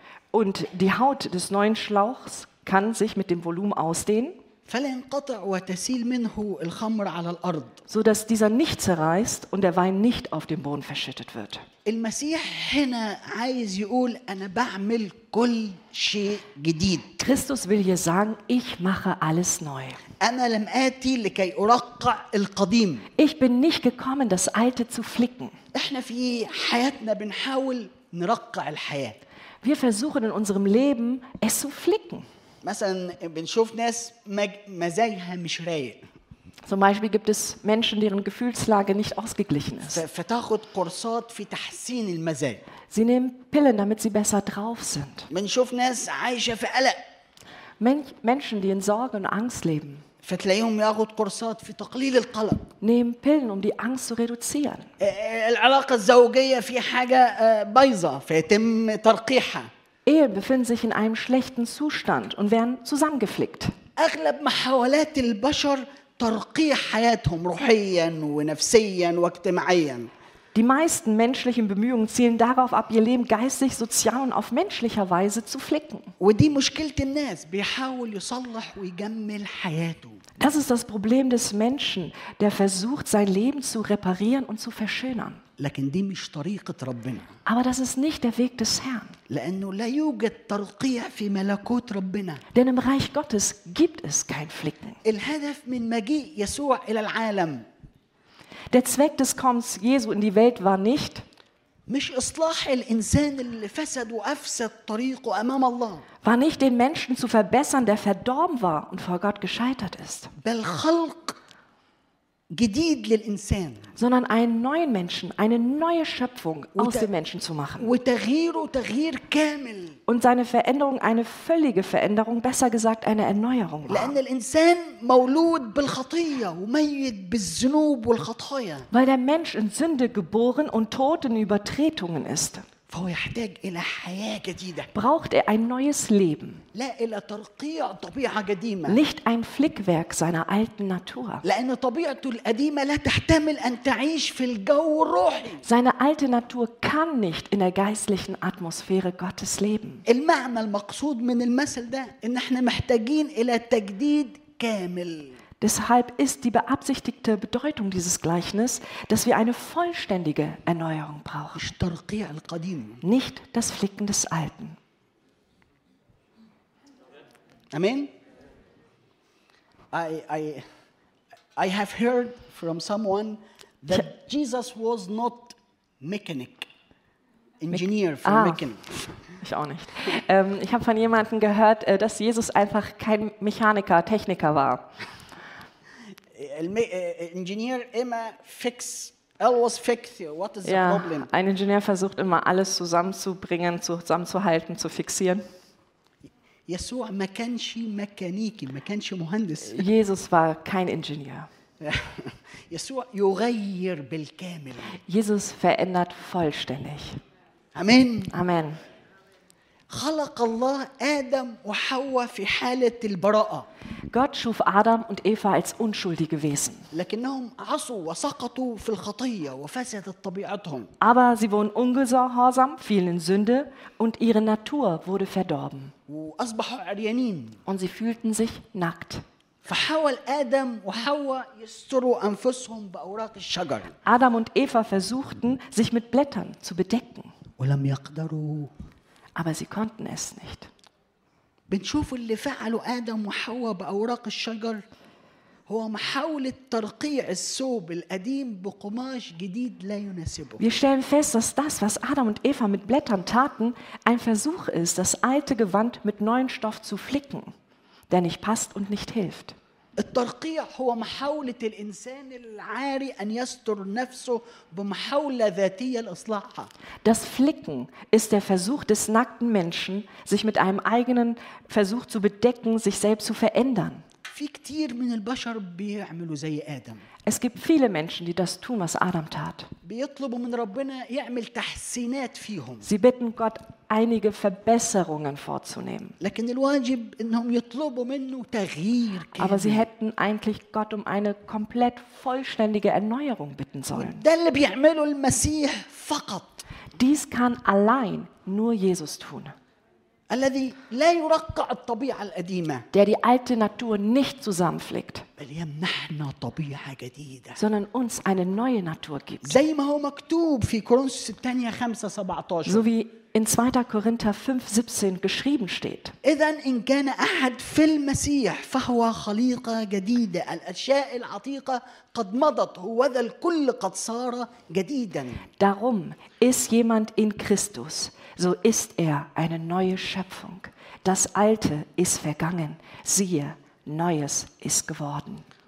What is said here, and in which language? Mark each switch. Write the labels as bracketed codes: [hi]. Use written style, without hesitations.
[de] Und die Haut des neuen Schlauchs kann sich mit dem Volumen ausdehnen. [ar] فلينقطع وتسيل منه الخمر على الأرض. [de] So dass dieser nicht zerreißt und der Wein nicht auf dem Boden verschüttet wird. [ar] المسيح هنا عايز يقول أنا بعمل كل شيء جديد. [de] Christus will hier sagen, ich mache alles neu. [ar] أنا لم آتي لكي أرقع القديم. [de] Ich bin nicht gekommen, das Alte zu flicken. [ar] إحنا في حياتنا بنحاول نرقع الحياة. [de] Wir versuchen in unserem Leben, es zu flicken. [ar] مثلا بنشوف ناس مزاجها مش رايق. [de] Zum Beispiel gibt es Menschen, deren Gefühlslage nicht ausgeglichen ist. [ar] فتاخد قرصات في تحسين المزاج. [de] Sie nehmen Pillen, damit sie besser drauf sind. [ar] بنشوف ناس عايشة في قلق. [de] Menschen, die in Sorge und Angst leben. [ar] فتلاقيهم ياخد قرصات في تقليل القلق. [de] Nehmen Pillen, um die Angst zu reduzieren. [ar] العلاقة الزوجية في حاجة بايظة فيتم ترقيعها. [de] Ehen befinden sich in einem schlechten Zustand und werden zusammengeflickt. [ar] أغلب محاولات البشر ترقيع حياتهم روحيا ونفسيا واجتماعيا. [de] Die meisten menschlichen Bemühungen zielen darauf ab, ihr Leben geistig, sozial und auf menschlicher Weise zu flicken. [ar] ودي مشكلة الناس بيحاول يصلح ويجمل حياته. [de] Das ist das Problem des Menschen, der versucht, sein Leben zu reparieren und zu verschönern. [ar] لكن دي مش طريقة ربنا. [de] Aber das ist nicht der Weg des Herrn. [ar] لأنه لا يوجد ترقيع في ملكوت ربنا. [de] Denn im Reich Gottes gibt es kein Flicken. [ar] الهدف من مجيء يسوع إلى العالم. [de] Der Zweck des Kommens Jesu in die Welt war nicht, [ar] مش إصلاح الإنسان اللي فسد وأفسد طريقه أمام الله. [de] War nicht den Menschen zu verbessern, der verdorben war und vor Gott gescheitert ist. [ar] بل خلق جديد للإنسان. [de] Sondern einen neuen Menschen, eine neue Schöpfung aus dem Menschen zu machen. [ar] وتغييره تغيير كامل. [de] Und seine Veränderung eine völlige Veränderung, besser gesagt eine Erneuerung war. [ar] لأن الإنسان مولود بالخطية وميت بالذنوب والخطايا. [de] Weil der Mensch in Sünde geboren und tot in Übertretungen ist. [ar] فهو يحتاج إلى حياة جديدة. [de] Braucht ein neues Leben. [ar] لا إلى ترقيع طبيعة قديمة. [de] Nicht ein Flickwerk seiner alten Natur. [ar] لأن طبيعته القديمة لا تحتمل أن تعيش في الجو الروحي. [de] Seine alte Natur kann nicht in der geistlichen Atmosphäre Gottes leben. [ar] المعنى المقصود من المثل ده إن إحنا محتاجين إلى تجديد كامل. [de] Deshalb ist die beabsichtigte Bedeutung dieses Gleichnis, dass wir eine vollständige Erneuerung brauchen. Nicht das Flicken des Alten. Amen. [en] I have heard from someone that Jesus was not mechanic, engineer for mechanic. [de] Ich auch nicht. Ich habe von jemandem gehört, dass Jesus einfach kein Mechaniker, Techniker war. [en] Engineer immer fix, always fix. What is [de] ja, [en] the problem? [de] Ein Ingenieur versucht immer alles zusammenzubringen, zusammenzuhalten, zu fixieren. [ar] يسوع ما كانش ميكانيكي, ما كانش مهندس. [de] Jesus war kein Ingenieur. [ar] يسوع يغير بالكامل. [de] Jesus verändert vollständig. Amen. Amen. [ar] خلق الله آدم وحواء في حالة البراءة. [de] Gott schuf Adam und Eva als unschuldige Wesen. [ar] لكنهم عصوا وسقطوا في الخطية وفسدت طبيعتهم. [de] Aber sie wurden ungehorsam, fielen in Sünde und ihre Natur wurde verdorben. [ar] وأصبحوا عريانين. [de] Und sie fühlten sich nackt. [ar] فحاول آدم وحواء يستروا أنفسهم بأوراق الشجر. [de] Adam und Eva versuchten, sich mit Blättern zu bedecken. [ar] ولم يقدروا. [de] Aber sie konnten es nicht. [ar] بنشوف اللي فعله آدم وحواء بأوراق الشجر هو محاولة ترقيع الثوب القديم بقماش جديد لا يناسبه. [de] Wir stellen fest, dass das, was Adam und Eva mit Blättern taten, ein Versuch ist, das alte Gewand mit neuem Stoff zu flicken, der nicht passt und nicht hilft. [ar] الترقيع هو محاولة الإنسان العاري أن يستر نفسه بمحاولة ذاتية لإصلاحها. [de] Das Flicken ist der Versuch des nackten Menschen, sich mit einem eigenen Versuch zu bedecken, sich selbst zu verändern. [ar] في كتير من البشر بيعملوا زي آدم. [de] Es gibt viele Menschen, die das tun, was Adam tat. [ar] بيطلبوا من ربنا يعمل تحسينات فيهم. [de] Sie bitten Gott, einige Verbesserungen vorzunehmen. [ar] لكن الواجب إنهم يطلبوا منه تغيير كامل. [de] Aber sie hätten eigentlich Gott um eine komplett vollständige Erneuerung bitten sollen. [ar] ده اللي بيعمله المسيح فقط. [de] Dies kann allein nur Jesus tun. [ar] الذي لا يرقع الطبيعة القديمة. [de] Der die alte Natur nicht zusammenflickt. [ar] بل يمنحنا طبيعة جديدة. [de] Sondern uns eine neue Natur gibt. [ar] زي ما هو مكتوب في كورنثوس الثانية 5:17. [de] So wie in 2. Korinther 5:17 geschrieben steht. [ar] إذن إن كان أحد في المسيح فهو خليقة جديدة. الأشياء العتيقة قد مضت وذا الكل قد صار جديدا. [de] Darum ist jemand in Christus. So ist er eine neue Schöpfung. Das Alte ist vergangen. Siehe, Neues ist geworden.